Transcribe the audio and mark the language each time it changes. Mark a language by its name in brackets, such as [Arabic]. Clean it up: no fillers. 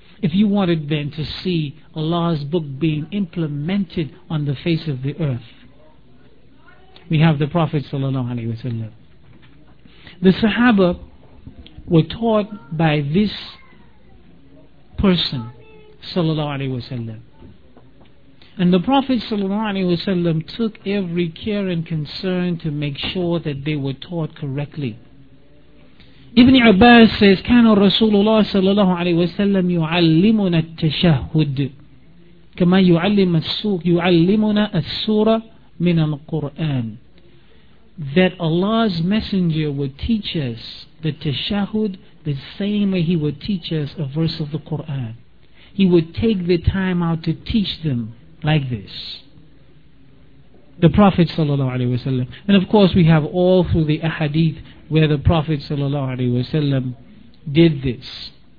[English] If you wanted then to see Allah's book being implemented on the face of the earth, we have the Prophet ﷺ. The Sahaba were taught by this person ﷺ. And the Prophet ﷺ took every care and concern to make sure that they were taught correctly. [Arabic] Ibn Abbas says, كان رسول الله صلى الله عليه وسلم يعلمنا التشهد كما يعلمنا السورة من القرآن. [English] That Allah's messenger would teach us the tashahud the same way He would teach us a verse of the Quran. He would take the time out to teach them like this, the Prophet [Arabic] صلى الله عليه وسلم. [English] And of course we have all through the ahadith where the Prophet ﷺ did this.